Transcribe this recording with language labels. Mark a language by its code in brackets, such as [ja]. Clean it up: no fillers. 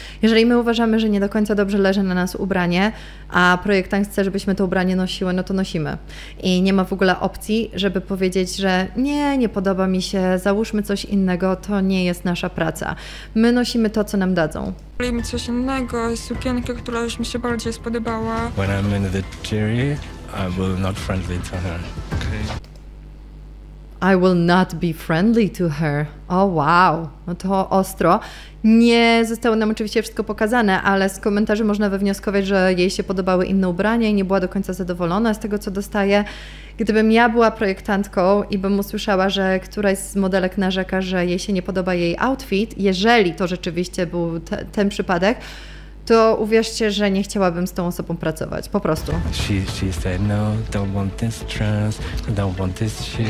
[pl] Jeżeli my uważamy, że nie do końca dobrze leży na nas ubranie, a projektant chce, żebyśmy to ubranie nosiły, no to nosimy. I nie ma w ogóle opcji, żeby powiedzieć, że nie podoba mi się, załóżmy coś innego, to nie jest nasza praca. My nosimy to, co nam dadzą. Mi coś innego, sukienkę, która już mi się bardziej spodobała. [en] When I'm in the jury, I will not friendly to her. I will not be friendly to her. Oh wow, [pl] no to ostro. Nie zostało nam oczywiście wszystko pokazane, ale z komentarzy można wywnioskować, że jej się podobały inne ubrania i nie była do końca zadowolona z tego, co dostaje. Gdybym ja była projektantką i bym usłyszała, że któraś z modelek narzeka, że jej się nie podoba jej outfit, jeżeli to rzeczywiście był ten przypadek, to uwierzcie, że nie chciałabym z tą osobą pracować, po prostu. [en] She said no, don't want this dress, don't want this shoes.